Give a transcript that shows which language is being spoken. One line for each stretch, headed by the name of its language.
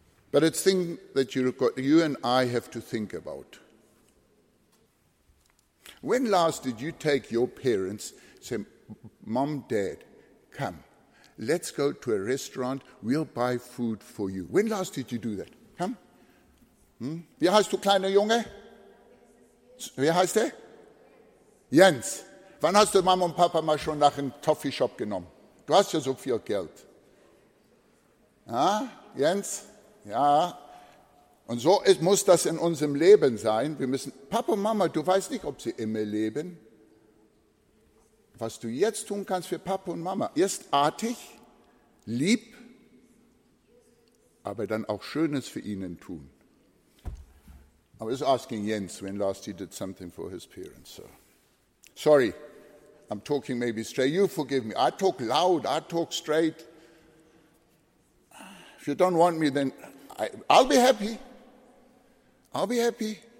English: But it's a thing that you and I have to think about. When last did you take your parents, say, Mom, Dad, come, let's go to a restaurant, we'll buy food for you. When last did you do that? Come.
German: Wie heißt du, kleiner Junge? Wie heißt er? Jens. Wann hast du Mama und Papa mal schon nach einem Toffee-Shop genommen? Du hast ja so viel Geld. Jens? Ja. Und so muss das in unserem Leben sein. Wir müssen, Papa, Mama, du weißt nicht, ob sie immer leben. Was du jetzt tun kannst für Papa und Mama, erst artig, lieb, aber dann auch Schönes für ihnen tun.
English: I was asking Jens when last he did something for his parents. So. Sorry. I'm talking maybe straight. You forgive me. I talk loud. I talk straight. If you don't want me, then I'll be happy. I'll be happy.